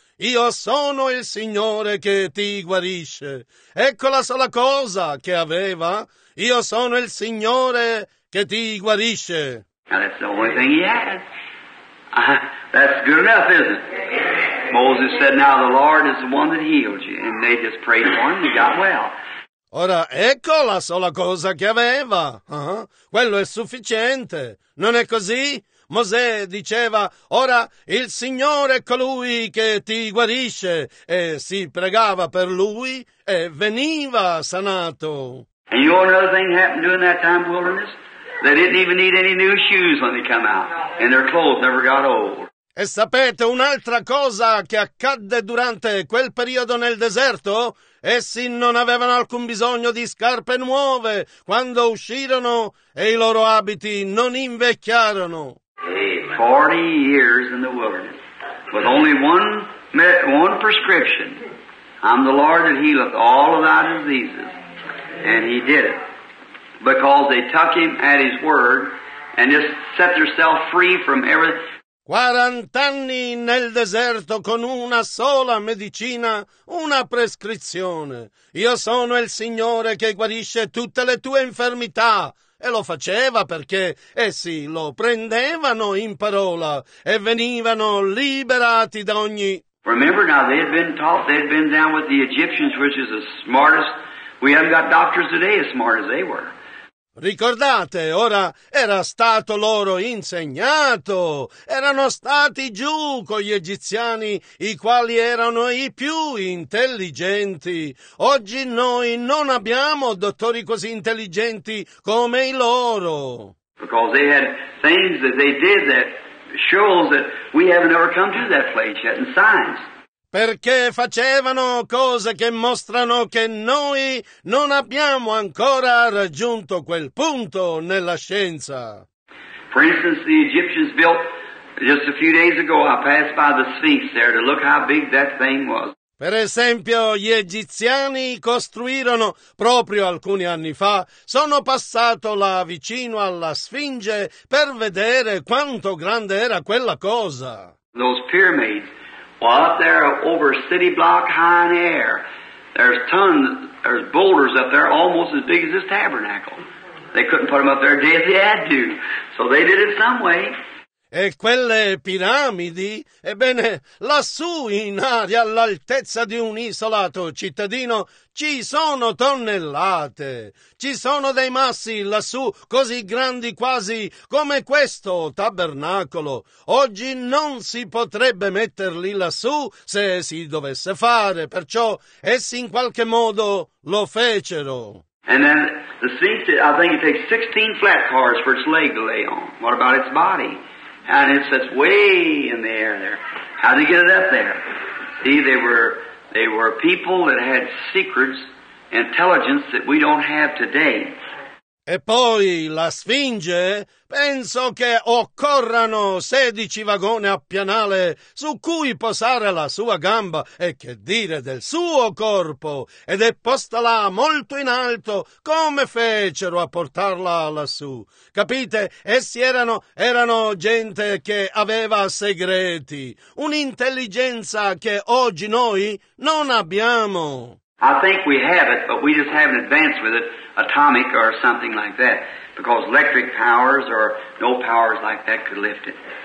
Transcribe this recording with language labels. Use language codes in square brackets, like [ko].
[it] Io sono il Signore che ti guarisce. Ecco la sola cosa che aveva. Io sono il Signore che ti guarisce. [en] Now that's the only thing he has. That's good enough, isn't it? Moses said, now the Lord is the one that healed you. And they just prayed for him and he got well. [it] Ora, ecco la sola cosa che aveva. Quello è sufficiente. Non è così? Mosè diceva, ora il Signore è colui che ti guarisce. E si pregava per lui e veniva sanato. [en] And you know another thing happened during that time of wilderness? They didn't even need any new shoes when they come out. And their clothes never got old. [it] E sapete un'altra cosa che accadde durante quel periodo nel deserto? Essi non avevano alcun bisogno di scarpe nuove quando uscirono e i loro abiti non invecchiarono. [en] 40 years in the wilderness with only one prescription. I'm the Lord that healeth all of thy diseases. And he did it because they took him at his word and just set themselves free from everything. [it] 40 anni nel deserto con una sola medicina, una prescrizione. Io sono il Signore che guarisce tutte le tue infermità. E lo faceva perché essi lo prendevano in parola e venivano liberati da ogni... [en] Remember now, they had been taught, they had been down with the Egyptians, which is the smartest... We haven't got doctors today as smart as they were. [it] Ricordate, ora era stato loro insegnato, erano stati giù con gli egiziani, i quali erano i più intelligenti. Oggi noi non abbiamo dottori così intelligenti come i loro. [en] Because they had things that they did that shows that we haven't ever come to that place yet in science. [it] Perché facevano cose che mostrano che noi non abbiamo ancora raggiunto quel punto nella scienza. [en] For instance, the Egyptians built, just a few days ago, I passed by the Sphinx there to look how big that thing was. [it] Per esempio, gli egiziani costruirono proprio alcuni anni fa, sono passato là vicino alla Sfinge per vedere quanto grande era quella cosa. [en] Those pyramids. Well, up there, over city block high in air, there's boulders up there almost as big as this tabernacle. They couldn't put them up there day if they had to, so they did it some way. [it] E quelle piramidi, ebbene, lassù in aria, all'altezza di un isolato cittadino, ci sono tonnellate. Ci sono dei massi lassù, così grandi quasi come questo tabernacolo. Oggi non si potrebbe metterli lassù se si dovesse fare, perciò essi in qualche modo lo fecero. [en] And then the seat, I think it takes 16 flat cars for its leg to lay on. What about its body? And it sits way in the air there. How did they get it up there? See, they were people that had secrets, intelligence that we don't have today. [it] E poi la Sfinge, penso che occorrano 16 vagoni a pianale su cui posare la sua gamba, e che dire del suo corpo, ed è posta là molto in alto, come fecero a portarla lassù. Capite? Essi erano gente che aveva segreti, un'intelligenza che oggi noi non abbiamo. [en] I think we have it, but we just haven't advanced with it, atomic or something like that, because electric powers or no powers like that could lift it.